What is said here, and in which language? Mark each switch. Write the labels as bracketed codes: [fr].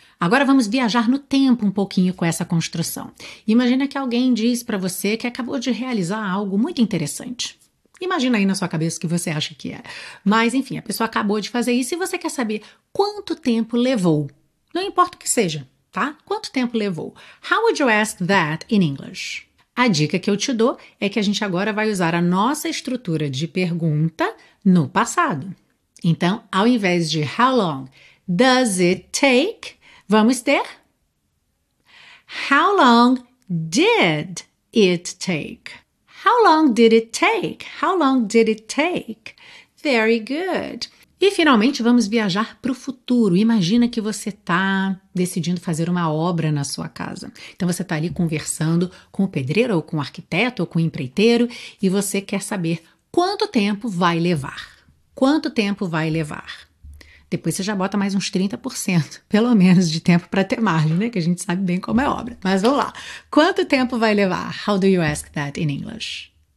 [pt] Agora vamos viajar no tempo um pouquinho com essa construção. Imagina que alguém diz para você que acabou de realizar algo muito interessante. Imagina aí na sua cabeça o que você acha que é. Mas enfim, a pessoa acabou de fazer isso e você quer saber quanto tempo levou. Não importa o que seja, tá? Quanto tempo levou? [en] How would you ask that in English? [pt] A dica que eu te dou é que a gente agora vai usar a nossa estrutura de pergunta no passado. Então, ao invés de [en] how long does it take, [pt] vamos ter [en] how long did it take? How long did it take? How long did it take? Very good. [pt] E finalmente, vamos viajar para o futuro. Imagina que você está decidindo fazer uma obra na sua casa. Então, você está ali conversando com o pedreiro, ou com o arquiteto, ou com o empreiteiro, e você quer saber quanto tempo vai levar. Quanto tempo vai levar? Depois você já bota mais uns 30%, pelo menos, de tempo para ter margem, né? Que a gente sabe bem como é obra. Mas vamos lá. Quanto tempo vai levar? [en] How do you ask that in English?